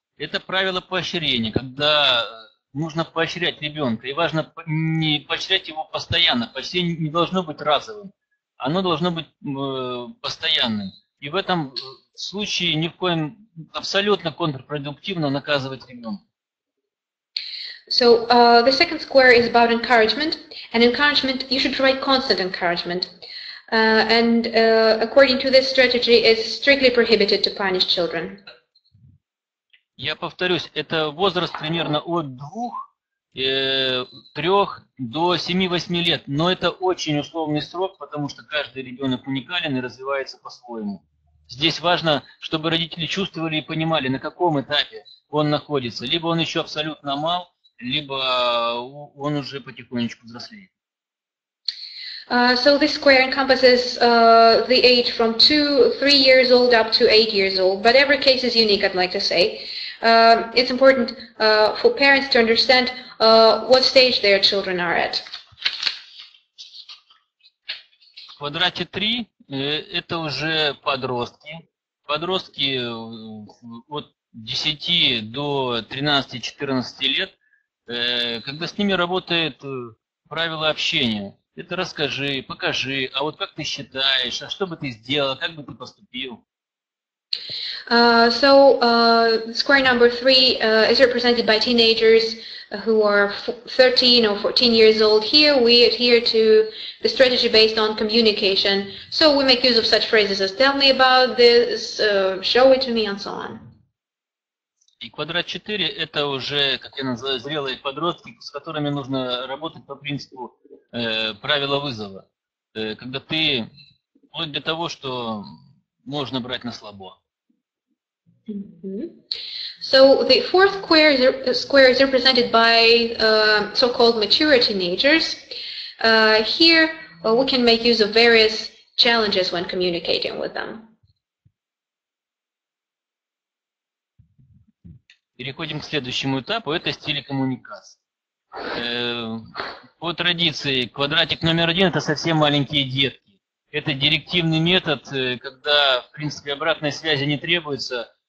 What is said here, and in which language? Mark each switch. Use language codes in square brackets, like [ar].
[ru] Это правило поощрения, когда нужно поощрять ребенка, и важно не поощрять его постоянно. Поощрение не должно быть разовым, оно должно быть постоянным. И в этом случае ни в коем абсолютно контрпродуктивно наказывать ребенка. [en] So the second square is about encouragement, and encouragement you should provide constant encouragement. And according to this strategy, it's strictly prohibited to punish children. [ru] Я повторюсь, это возраст примерно от 2, 3 до 7-8 лет. Но это очень условный срок, потому что каждый ребенок уникален и развивается по-своему. Здесь важно, чтобы родители чувствовали и понимали, на каком этапе он находится. Либо он еще абсолютно мал, либо он уже потихонечку взрослеет. [en] So this square encompasses the age from 2-3 years old up to 8 years old. But every case is unique, I'd like to say. It's important for parents to understand what stage their children are at. [ru] В квадрате 3 это уже подростки. Подростки от 10 до 13-14 лет, когда с ними работает правило общения. Это расскажи, покажи, а вот как ты считаешь, а что бы ты сделал, как бы ты поступил? [en] So square number three is represented by teenagers who are 13 or 14 years old. Here we adhere to the strategy based on communication. So we make use of such phrases as "Tell me about this," "Show it to me," and so on. [ru] И квадрат 4 это уже, как я называю, зрелые подростки, с которыми нужно работать по принципу правила вызова, когда ты вплоть до того, что можно брать на слабо. [en] Mm-hmm. So the fourth square is represented by so-called mature teenagers. Here we can make use of various challenges when communicating with them. [ru] Переходим к следующему этапу. Это стиль коммуникации. По традиции квадратик номер один это совсем маленькие детки. Это директивный метод, когда в принципе обратной связи не требуется.